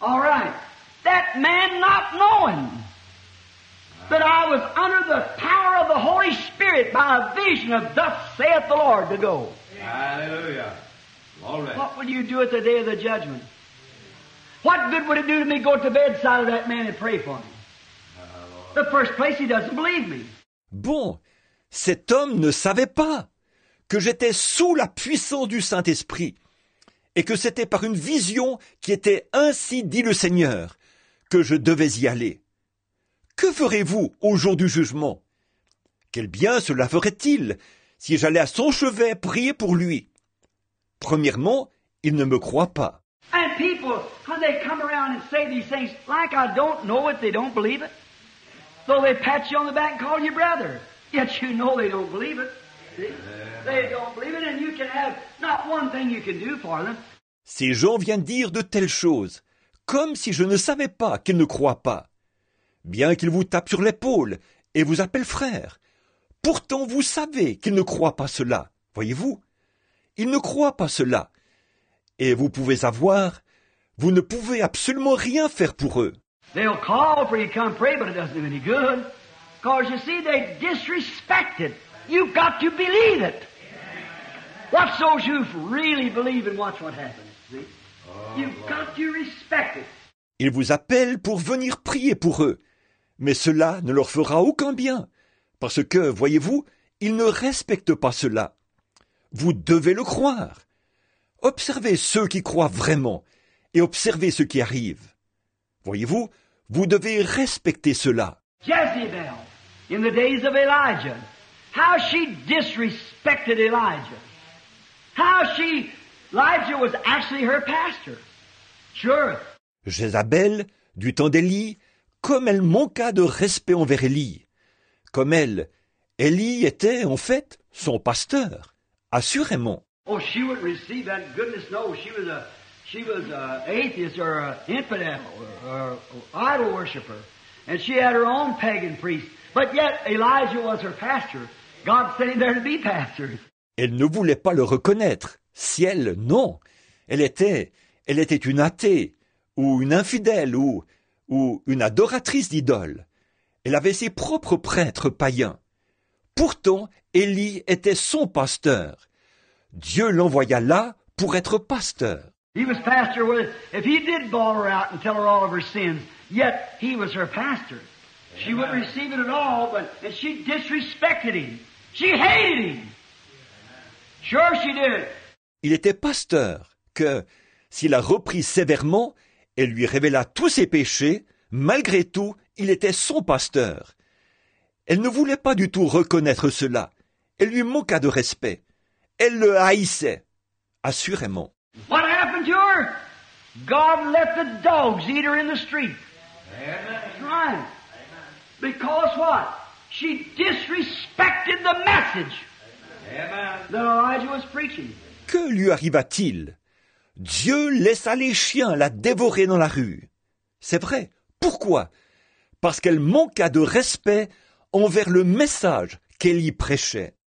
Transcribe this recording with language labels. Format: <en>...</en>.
<en>All right, that man not knowing that I was under the power of the Holy Spirit by a vision of thus saith the Lord to go. Hallelujah. All right. What would you do at the day of the judgment? What good would it do to me to go to the bedside of that man and pray for him? The first place he doesn't believe me.</en> <fr>Bon, cet homme ne savait pas que j'étais sous la puissance du Saint-Esprit et que c'était par une vision qui était ainsi dit le Seigneur que je devais y aller. Que ferez-vous au jour du jugement? Quel bien cela ferait-il si j'allais à son chevet prier pour lui? Premièrement, il ne me croit pas.</fr> <en>And people, how they come around and say these things, like I don't know it, they don't believe it. Though they pat you on the back and call you brother. Yet you know they don't believe it. See? They don't believe it and you can have not one thing you can do for them.</en> <fr>Ces gens viennent dire de telles choses, comme si je ne savais pas qu'ils ne croient pas. Bien qu'il vous tape sur l'épaule et vous appelle frère, pourtant vous savez qu'il ne croit pas cela, voyez-vous? Il ne croit pas cela. Et vous pouvez avoir, vous ne pouvez absolument rien faire pour eux.</fr> <en>They'll call for you to come pray, but it doesn't do any good. Because you see, they disrespect it. You've got to believe it. What's those who really believe and watch what happens, see? You've got to respect it.</en> <fr>Ils vous appellent pour venir prier pour eux. Mais cela ne leur fera aucun bien, parce que, voyez-vous, ils ne respectent pas cela. Vous devez le croire. Observez ceux qui croient vraiment et observez ce qui arrive. Voyez-vous, vous devez respecter cela.</fr> <en>Jezebel, in the days of Elijah, how she disrespected Elijah. How she, Elijah was actually her pastor. Sure.</en> <fr>Jezabel, du temps d'Élie, comme elle manqua de respect envers Élie. Comme elle, Élie était, en fait, son pasteur, assurément.</fr> <en>Oh, she would receive that goodness, no, she was an atheist or an infidel or idol worshiper. And she had her own pagan priest. But yet, Elijah was her pastor. God sent him there to be pastor.</en> <fr>Elle ne voulait pas le reconnaître. Ciel, non. Elle était une athée, ou une infidèle, ou une adoratrice d'idoles. Elle avait ses propres prêtres païens. Pourtant, Élie était son pasteur. Dieu l'envoya là pour être pasteur.</fr> <en>He was pastor with, if he did bawl her out and tell her all of her sins, yet he was her pastor. She wouldn't receive it at all, but she disrespected him. She hated him. Sure she did.</en> <fr>Il était pasteur que, s'il a repris sévèrement et lui révéla tous ses péchés, malgré tout, il était son pasteur. Elle ne voulait pas du tout reconnaître cela. Elle lui manqua de respect. Elle le haïssait, assurément.</fr> <en>What happened to her? God let the dogs eat her in the street. Amen. Right. Amen. Because what? She disrespected the message. Amen. That Elijah was preaching.</en> <fr>Que lui arriva-t-il? Dieu laissa les chiens la dévorer dans la rue. C'est vrai. Pourquoi? Parce qu'elle manqua de respect envers le message qu'elle y prêchait.</fr>